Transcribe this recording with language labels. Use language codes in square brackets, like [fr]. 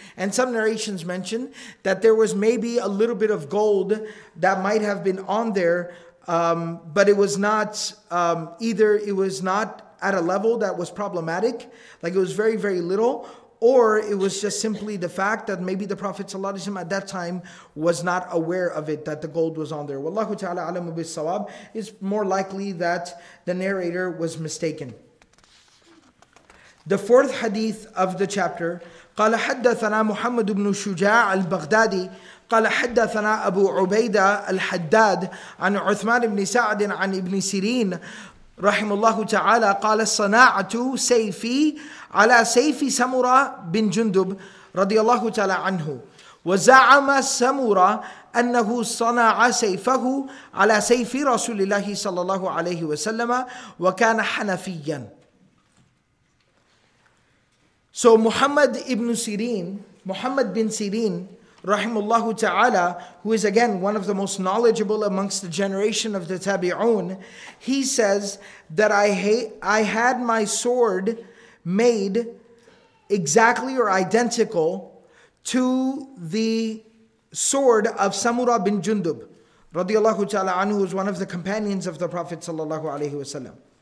[en] And some narrations mention that there was maybe a little bit of gold that might have been on there, but it was not, either it was not at a level that was problematic, like it was very, very little, or it was just simply the fact that maybe the Prophet ﷺ at that time was not aware of it, that the gold was on there. Wallahu ta'ala alamu bis sawab. It's more likely that the narrator was mistaken. The fourth hadith of the chapter, [ar] قال حدثنا محمد بن شجاع البغدادي قال حدثنا أبو عبيدة الحداد عن عثمان بن سعد عن ابن سيرين رحم الله تعالى قال صناعة سيفي على سيف سمرة بن جندب رضي الله تعالى عنه وزعم سمرة أنه صنع سيفه على سيف رسول الله صلى الله عليه وسلم وكان حنفيا. [en] So Muhammad bin Sirin, rahimullahu ta'ala, who is again one of the most knowledgeable amongst the generation of the Tabi'un, he says that I had my sword made exactly or identical to the sword of Samura bin Jundub, radiallahu ta'ala anhu, who is one of the companions of the Prophet sallallahu alayhi wasallam.